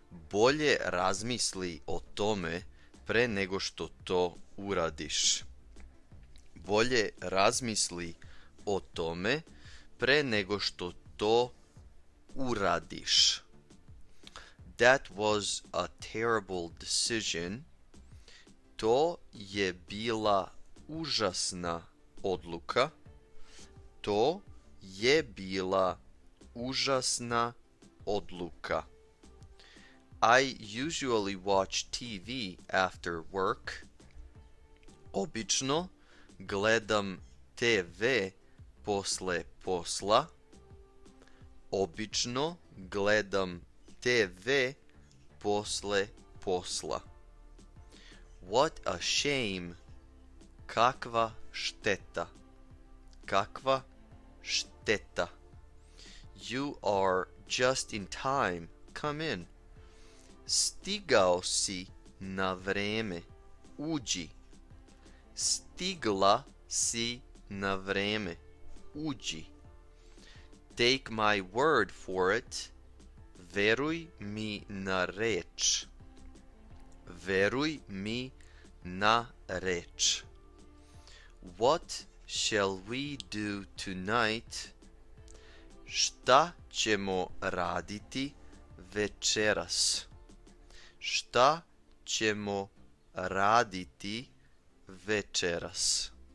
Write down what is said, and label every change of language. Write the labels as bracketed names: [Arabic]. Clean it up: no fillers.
[Serbian] Bolje razmisli o tome pre nego što to uradiš. Bolje razmisli o tome pre nego što to uradiš. [English] That was a terrible decision. [Serbian] To je bila užasna odluka. To je bila užasna odluka. [English] I usually watch TV after work. [Serbian] Obično gledam TV posle posla. Obično gledam TV posle posla. [English] What a shame. [Serbian] Kakva šteta. Kakva šteta. [English] You are just in time. Come in. [Serbian] Stigao si na vreme. Uđi. Stigla si na vreme. Uđi. [English] Take my word for it. [Serbian] Veruj mi na reč. Veruj mi na reč. [English] What shall we do tonight? [Serbian] Šta ćemo raditi večeras? Šta ćemo raditi večeras?